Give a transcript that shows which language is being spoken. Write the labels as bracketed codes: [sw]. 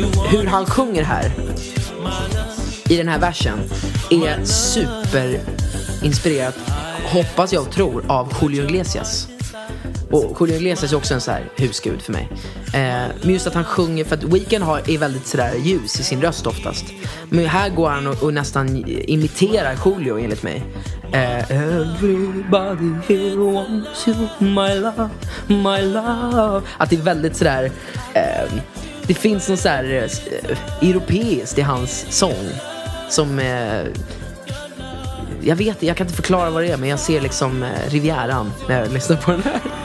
[sv] Hur han sjunger här i den här versen är superinspirerat, hoppas jag och tror, av Julio Iglesias. Och Julio Iglesias är också en så här husgud för mig. Men just att han sjunger, för att Weeknd är väldigt så där ljus i sin röst oftast. Men här går han och nästan imiterar Julio enligt mig. [en] Everybody here wants you, my love. [sv] Att det är väldigt sådär, det finns någon sådär europeiskt i hans sång. Som, jag vet, jag kan inte förklara vad det är, men jag ser liksom Rivieran när jag lyssnar på den här.